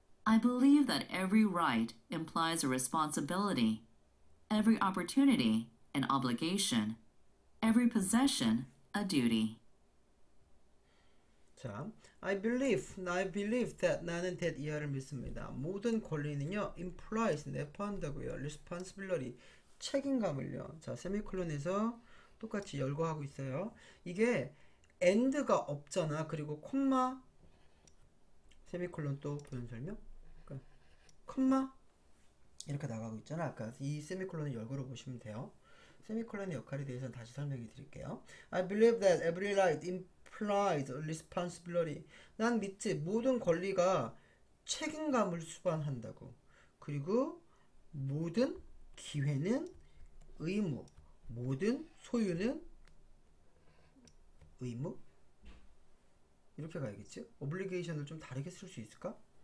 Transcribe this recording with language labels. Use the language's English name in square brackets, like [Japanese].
[English] I believe that every right implies a responsibility, every opportunity an obligation, every possession a duty. [Korean] 자, [English] I believe, [Korean] 나 [English] believe that, [Korean] 나는 that 이하를 믿습니다. 모든 권리는요, implies, 내포한다고요, responsibility, 책임감을요. 자, 세미콜론에서 똑같이 열거하고 있어요. 이게 and가 없잖아. 그리고 콤마, 세미콜론 또 보는 설명? 콤마 이렇게 나가고 있잖아. 아까 이 세미콜론을 열고로 보시면 돼요. 세미콜론의 역할에 대해서는 다시 설명해 드릴게요. [English] I believe that every right implies a responsibility. [Korean] 난 믿지. 모든 권리가 책임감을 수반한다고. 그리고 모든 기회는 의무. 모든 소유는 의무. 이렇게 가야겠지? Obligation을 좀 다르게 쓸 수 있을까?